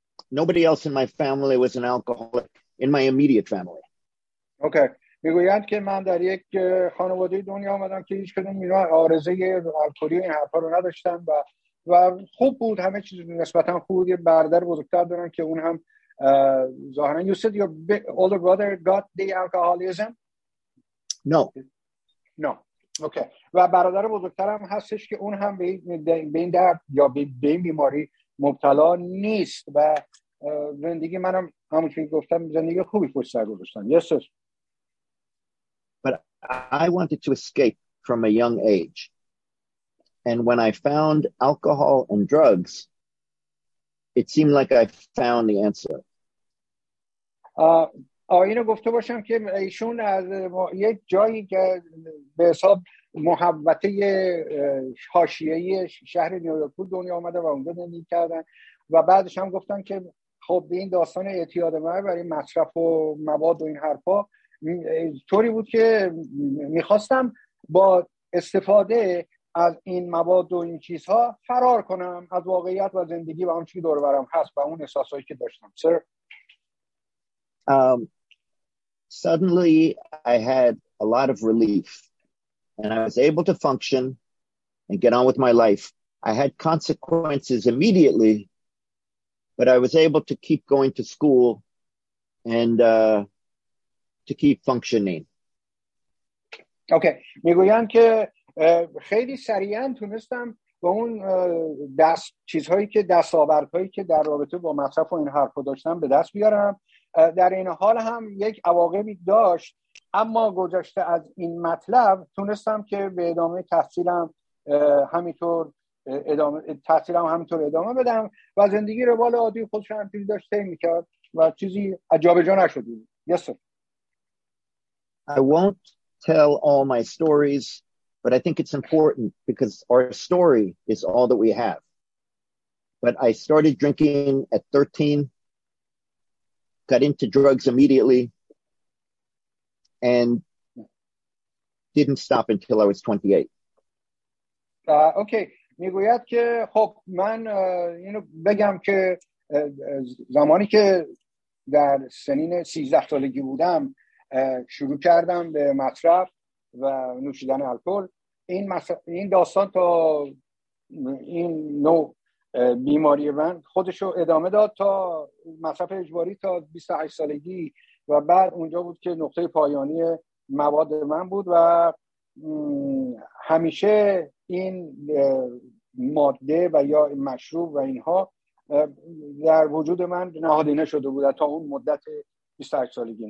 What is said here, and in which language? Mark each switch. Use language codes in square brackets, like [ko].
[en] Nobody else in my family was an alcoholic in my immediate family. Okay. [fa] میگویند که من در یک خانواده دنیا آمدم که هیچ کدوم اینا آرزه الکلی این حرفا رو نداشتم و خوب بود، همه چیز نسبتا خوب بود. یه برادر بزرگتر دارم که اون هم ظاهرا. [en] You said your older brother got the alcoholism? No. No. Okay. [fa] و برادر بزرگترم هستش که اون هم به این درد یا به این بیماری مبتلا نیست و زندگی منم همون که گفتم زندگی خوبی پشت سر گذاشتم. [en] Yes, sir. I wanted to escape from a young age. And when I found alcohol and drugs, it seemed like I found the answer. [fa] اینو گفته باشم که ایشون از یک جایی که به حساب محوطه حاشیه‌ای شهر نیویورک بود دنیا آمده و اونجا زندگی کردن و بعدش هم گفتن که خب به این داستان اعتیاد من برای مصرف و مواد و این حرفا طوری بود که میخواستم با استفاده از این مواد و این چیزها فرار کنم از واقعیت و زندگی و اون چیزی دور برم هست و اون احساسایی که داشتم. سر [en] suddenly I had a lot of relief and I was able to function and get on with my life. I had consequences immediately, but I was able to keep going to school and to keep functioning. Okay. [fa] میگویند که خیلی سریعا تونستم و اون دست چیزهایی که دستاوردهایی که در رابطه با مصرف و این حرفا داشتم به دست بیارم. در این حال هم یک عواقبی داشت، اما گذشته از این مطلب تونستم که به ادامه تحصیلم همینطور ادامه بدم و زندگی رو بال عادی خودش همینطور داشته میکرد و چیزی عجابه جا نشد. [en] Yes sir. I won't tell all my stories, but I think it's important because our story is all that we have. But I started drinking at 13, got into drugs immediately, and didn't stop until I was 28. Okay. [fa] میگوید که خب من اینو بگم که زمانی که در سنین 13 سالگی بودم شروع کردم به مصرف و نوشیدن الکل. این داستان تا این نوع بیماری من خودشو ادامه داد تا مصرف اجباری تا 28 سالگی و بعد اونجا بود که نقطه پایانی مواد من بود و همیشه این ماده و یا مشروب و اینها در وجود من نهادینه شده بود تا اون مدت 28 سالگیم.